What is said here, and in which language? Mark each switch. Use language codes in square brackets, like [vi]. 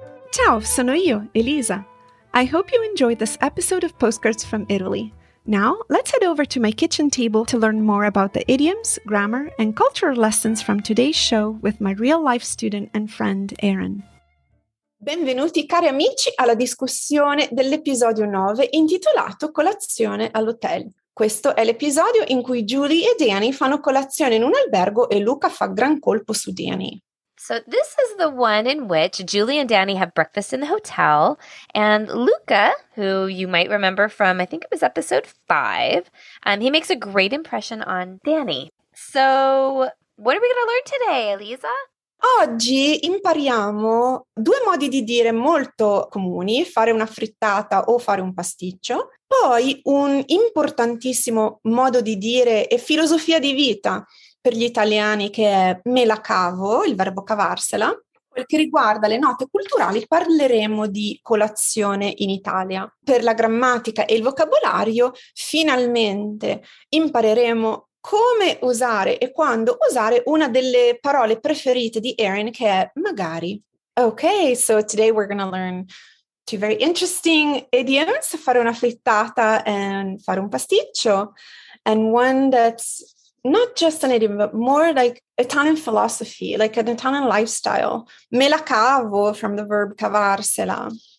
[it] Ciao, sono io, Elisa. [en] I hope you enjoyed this episode of Postcards from Italy. Now, let's head over to my kitchen table to learn more about the idioms, grammar, and cultural lessons from today's show with my real-life student and friend, Erin. [it] Benvenuti, cari amici, alla discussione dell'episodio 9 intitolato Colazione all'hotel. Questo è l'episodio in cui Julie e Danny fanno colazione in un albergo e Luca fa gran colpo su Danny. [en] So this is the one in which Julie and Danny have breakfast in the hotel, and Luca, who you might remember from, I think it was episode 5, he makes a great impression on Danny. So what are we going to learn today, Elisa? [it] Oggi impariamo due modi di dire molto comuni, fare una frittata o fare un pasticcio, poi un importantissimo modo di dire e filosofia di vita per gli italiani che è me la cavo, il verbo cavarsela. Quel che riguarda le note culturali parleremo di colazione in Italia. Per la grammatica e il vocabolario finalmente impareremo come usare e quando usare una delle parole preferite di Erin, che è magari. [en] Okay, so today we're going to learn two very interesting idioms, [it] fare una frittata [en] and [it] fare un pasticcio, [en] and one that's not just an idiom, but more like Italian philosophy, like an Italian lifestyle. [it] Me la cavo, [en] from the verb cavarsela.